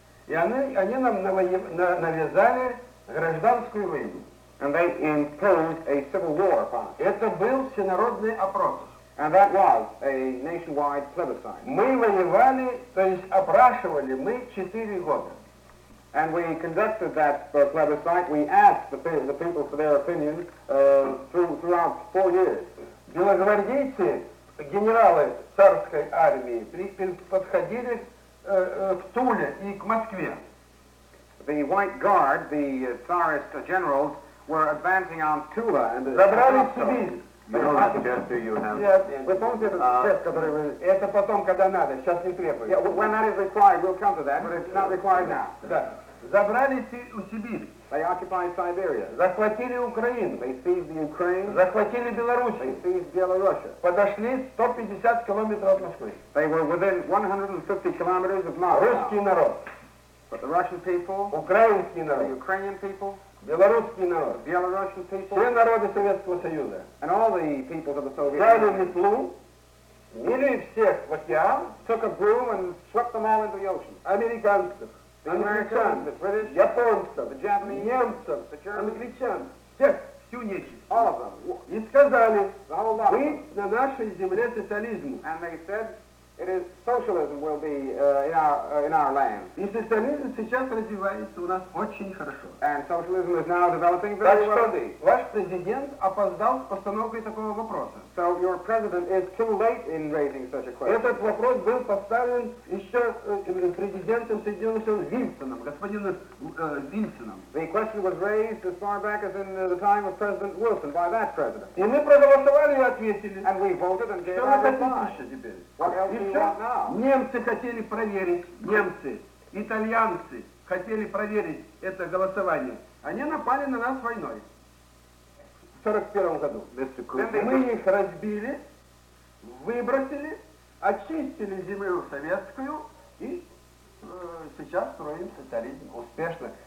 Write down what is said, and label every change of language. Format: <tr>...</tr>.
<ru>И они нам навязали гражданскую войну.</ru> <en>And they imposed a civil war upon us.</en> <ru>Это был всенародный опрос.</ru> <en>And that was a nationwide plebiscite.</en> <ru>Мы воевали, то есть опрашивали мы 4 года.</ru> <en>And we conducted that plebiscite. We asked the people for their opinion throughout 4 years.</en> <ru>Белогвардейцы, генералы царской армии, подходили к Туле и к Москве.</ru> <en>The White Guard, the Tsarist generals, were advancing on Tula and the...</en> <ru>Забрали Сибирь. Это потом, когда надо, сейчас не требуется.</ru> <en>Yeah, when that is required, we'll come to that, but it's not required now.</en> <ru>Забрали Сибирь.</ru> <en>They occupied Siberia.</en> <ru>Захватили Украину.</ru> <en>They seized the Ukraine.</en> <ru>Захватили Белоруссию.</ru> <en>They seized Belarusia.</en> <ru>Подошли 150 километров от Москвы.</ru> <en>They were within 150 kilometers of Moscow.</en> <ru>Русский народ.</ru> <en>But the Russian people.</en> <ru>Украинский народ.</ru> <en>The Ukrainian people.</en> <ru>Белорусский народ.</ru> <en>Belarusian people.</en> <ru>Все народы Советского Союза.</ru> <en>And all the people of the Soviet Union.</en> <ru>Взяли метлу. Мили всех в океан.</ru> <en>Took a broom and swept them all into the ocean.</en> <ru>Американцев.</ru> <en>The Americans, the British,</en> <ru>японцев,</ru> <en>the Japanese,</en> <ru>немцев,</ru> <en>the Germans,</en> <ru>англичан, всех, всю нечисть.</ru> <en>All of them.</en> <ru>И сказали, мы на нашей земле социализм.</ru> <en>And they said, it is socialism will be in our land.</en> <ru>И социализм сейчас развивается у нас очень хорошо.</ru> <en>And socialism is now developing very well.</en> <ru>Так что ваш президент опоздал с постановкой такого вопроса.</ru> <en>So your president is too late in raising such a question.</en> <ru>Этот вопрос был поставлен еще президентом Соединенных Штатов Вильсоном, Вильсоном.</ru> <en>The question was raised as far back as in the time of President Wilson by that president.</en> <ru>И мы проголосовали и ответили.</ru> <en>And we voted and gave our reply.</en> <ru>Что мы хотим еще теперь?</ru> <en>What else?</en> <ru>Немцы хотели проверить, немцы, итальянцы хотели проверить это голосование. Они напали на нас войной. В 41 году. Мы их разбили, выбросили, очистили землю советскую и сейчас строим социализм успешно.</ru>